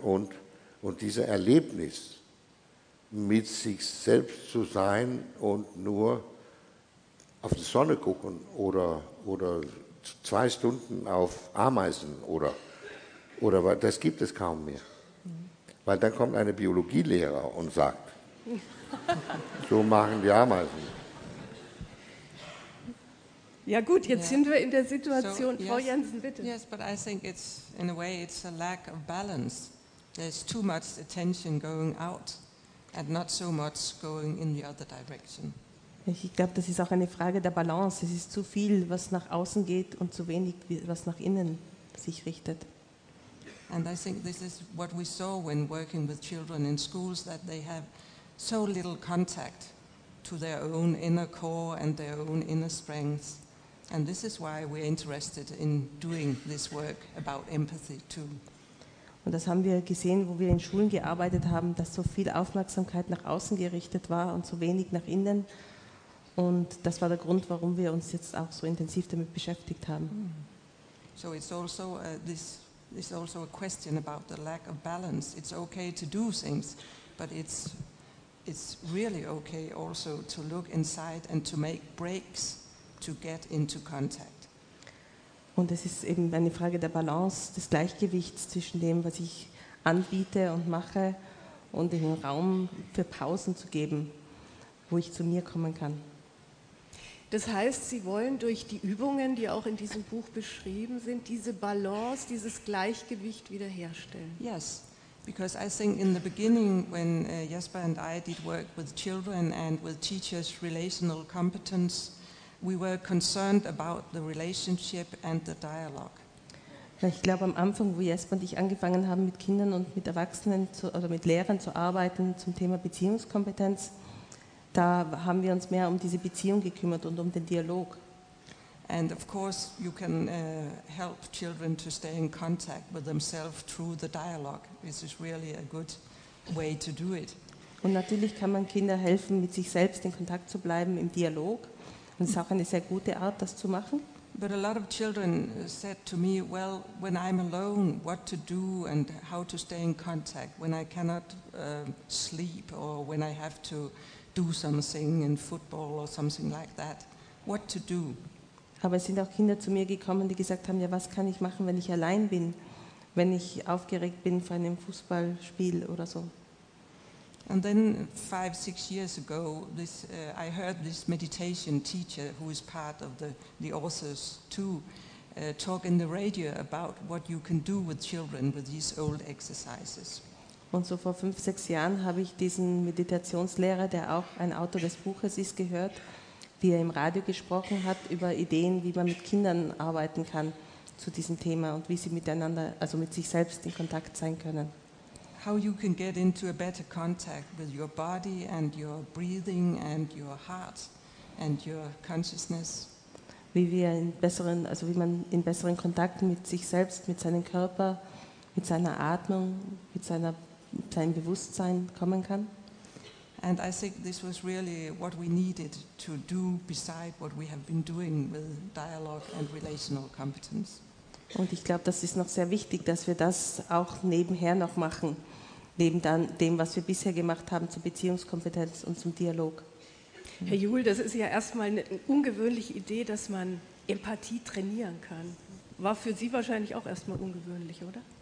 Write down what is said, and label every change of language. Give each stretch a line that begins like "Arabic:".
German: Und dieses Erlebnis, mit sich selbst zu sein und nur auf die Sonne gucken oder zwei Stunden auf Ameisen oder das gibt es kaum mehr. Weil dann kommt eine Biologielehrer und sagt, so machen die Ameisen. Ja gut, jetzt sind wir in der Situation. So, Frau Jensen, bitte.
English: Yes, but I think it's, in a way, it's a lack of balance. There's too much attention going out and not so much going in the other direction.
German: Ich glaube, das ist auch eine Frage der Balance. Es ist zu viel, was nach außen geht und zu wenig, was nach innen sich richtet.
English: And I think this is what we saw when working with children in schools, that they have so little contact to their own inner core and their own inner strengths. And this is why we're interested in doing this work about empathy too.
German: Und das haben wir gesehen, wo wir in Schulen gearbeitet haben, dass so viel Aufmerksamkeit nach außen gerichtet war und so wenig nach innen. Und das war der Grund, warum wir uns jetzt auch so intensiv damit beschäftigt haben.
English: So it's also this is also a question about the lack of balance. It's okay to do things, but it's really okay also to look inside and to make breaks to get into contact.
German: Und es ist eben eine Frage der Balance, des Gleichgewichts zwischen dem, was ich anbiete und mache und den Raum für Pausen zu geben, wo ich zu mir kommen kann. Das heißt, Sie wollen durch die Übungen, die auch in diesem Buch beschrieben sind, diese Balance, dieses Gleichgewicht wiederherstellen.
English: Yes, because I think in the beginning, when Jesper and I did work with children and with teachers' relational competence, we were concerned about the relationship and the dialogue.
German: Ich glaube, am Anfang, wo Jesper und ich angefangen haben, mit Kindern und mit Erwachsenen zu, oder mit Lehrern zu arbeiten zum Thema Beziehungskompetenz, da haben wir uns mehr um diese Beziehung gekümmert und um den Dialog.
English: And of course you can help children to stay in contact with themselves through the dialogue. This is really a good way to do it.
German: Und natürlich kann man Kindern helfen, mit sich selbst in Kontakt zu bleiben im Dialog. Und es ist auch eine sehr gute Art, das zu machen.
English: But a lot of children said to me, well, when I'm alone, what to do and how to stay in contact when I cannot sleep or when I have to do something in football or something like that, what to do.
German: Aber es sind auch Kinder zu mir gekommen, die gesagt haben, ja, was kann ich machen, wenn ich allein bin, wenn ich aufgeregt bin vor einem Fußballspiel oder so.
English: And then 5-6 years ago, this I heard this meditation teacher, who is part of the authors too, talk in the radio about what you can do with children with these old exercises.
German: Und so vor 5-6 Jahren habe ich diesen Meditationslehrer, der auch ein Autor des Buches ist, gehört, wie er im Radio gesprochen hat über Ideen, wie man mit Kindern arbeiten kann zu diesem Thema und wie sie miteinander, also mit sich selbst in Kontakt sein können.
English: How you can get into a better contact with your body and your breathing and your heart and your consciousness.
German: Wie wir in besseren, also wie man in besseren Kontakt mit sich selbst, mit seinem Körper, mit seiner Atmung, mit seiner, seinem Bewusstsein kommen kann.
English: And I think this was really what we needed to do beside what we have been doing with dialogue and relational competence.
German: Und ich glaube, das ist noch sehr wichtig, dass wir das auch nebenher noch machen, neben dann dem, was wir bisher gemacht haben zur Beziehungskompetenz und zum Dialog. Herr Juhl, das ist ja erstmal eine ungewöhnliche Idee, dass man Empathie trainieren kann. War für Sie wahrscheinlich auch erstmal ungewöhnlich, oder?